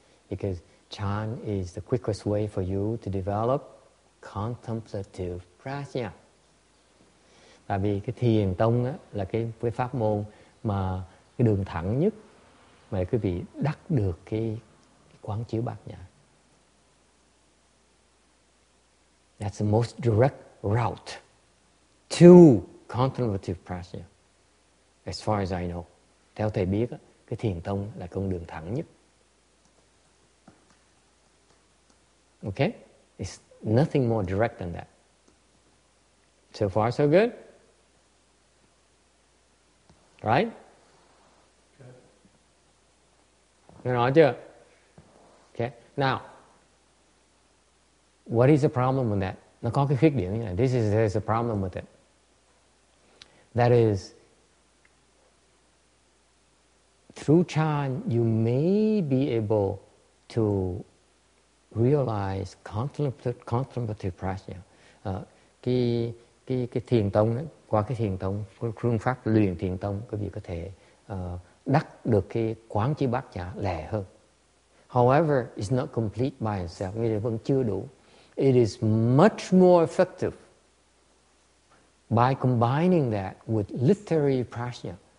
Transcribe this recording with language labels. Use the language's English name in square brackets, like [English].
[English] Because chan is the quickest way for you to develop contemplative prajna. [Vietnamese] Tại vì cái thiền tông á là cái pháp môn mà cái đường thẳng nhất mà quý vị đắc được cái quán chiếu bát nhã. [English] That's the most direct route to contemplative prajna. As far as I know, [Vietnamese] theo thầy biết á, cái thiền tông là con đường thẳng nhất. [English] Okay? It's nothing more direct than that. So far, so good? Right? Okay. [Vietnamese] Nghe nói chưa? [English] Okay. Now, what is the problem with that? [Vietnamese] Nó có cái khuyết điểm như này. [English] There's a problem with it. That is, through chan, you may be able to realize contemplative prajna. [Vietnamese] Cái thiền tông ấy, qua cái thiền tông, phương pháp luyện thiền tông, quý vị có thể đắc được cái quán chiếu bát nhã lẹ hơn. [English] However, it's not complete by itself, [Vietnamese] nghĩa là vẫn chưa đủ. [English] It is much more effective by combining that with literary prajna.